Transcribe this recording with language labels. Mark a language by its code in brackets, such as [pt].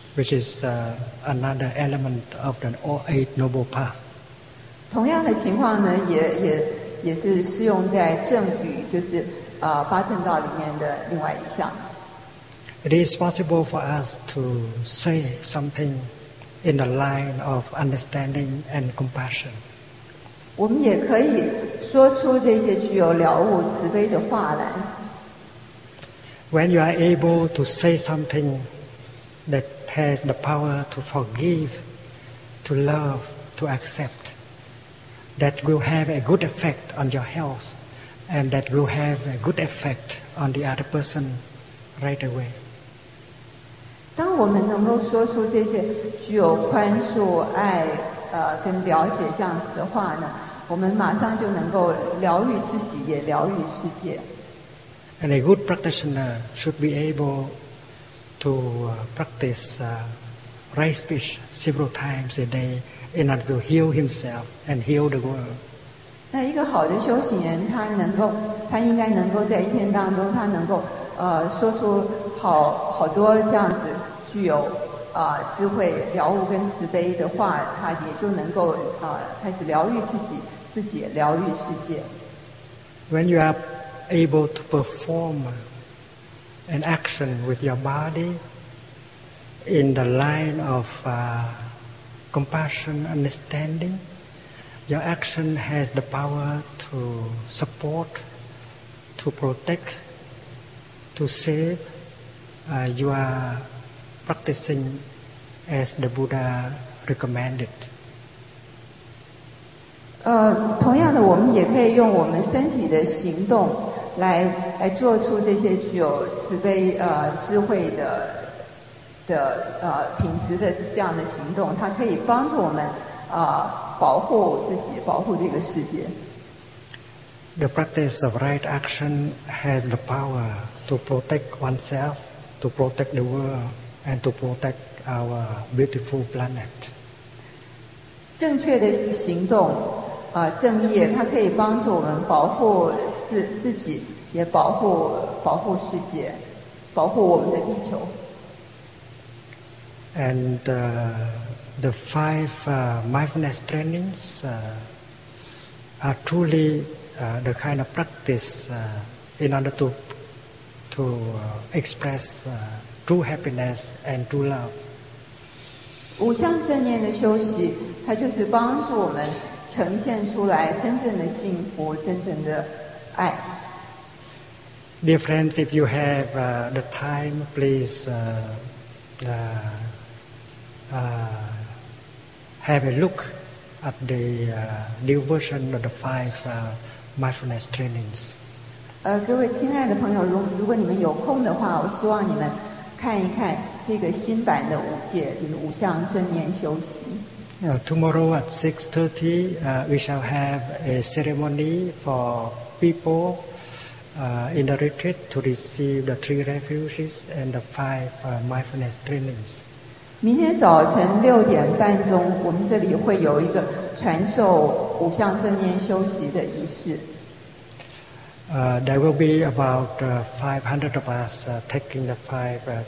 [en] Which is another element of the Eight Noble Path. [zh] 同样的情况呢，也是适用在正语，就是八正道里面的另外一项。 [en] It is possible for us to say something in the line of understanding and compassion. [zh] 我们也可以说出这些具有了悟慈悲的话来。 [en] When you are able to say something that has the power to forgive, to love, to accept, that will have a good effect on your health, and that will have a good effect on the other person right away. [zh] 当我们能够说出这些具有宽恕、爱、跟了解这样子的话呢，我们马上就能够疗愈自己，也疗愈世界。 [en] And a good practitioner should be able. To practice right speech several times a day in order to heal himself and heal the world. [zh] 那一个好的修行人，他能够，他应该能够在一天当中，他能够说出好多这样子具有智慧、了悟跟慈悲的话，他也就能够开始疗愈自己，自己疗愈世界。 [en] When you are able to perform. An action with your body in the line of compassion, understanding, your action has the power to support, to protect, to save. You are practicing as the Buddha recommended. [zh] 同样的，我们也可以用我们身体的行动。来做出这些具有慈悲智慧的品质的这样的行动，它可以帮助我们保护自己，保护这个世界。 [en] The practice of right action has the power to protect oneself, to protect the world, and to protect our beautiful planet. [zh] 正确的行动正义，它可以帮助我们保护自己。也保护世界，保护我们的地球。 [en] And the five mindfulness trainings are truly the kind of practice in order to express true happiness and true love. [zh] 五项正念的修习，它就是帮助我们呈现出来真正的幸福，真正的爱。 [en] Dear friends, if you have the time, please have a look at the new version of the five mindfulness trainings. [zh] 各位亲爱的朋友，如果你们有空的话，我希望你们看一看这个新版的五戒，就是五项正念修习。 [en] Tomorrow at 6:30, we shall have a ceremony for people in the retreat to receive the three refuges and the five mindfulness trainings. [zh] 明天早晨六点半钟，我们这里会有一个传授五项正念修习的仪式。 [en] There will be about 500 of us taking the five.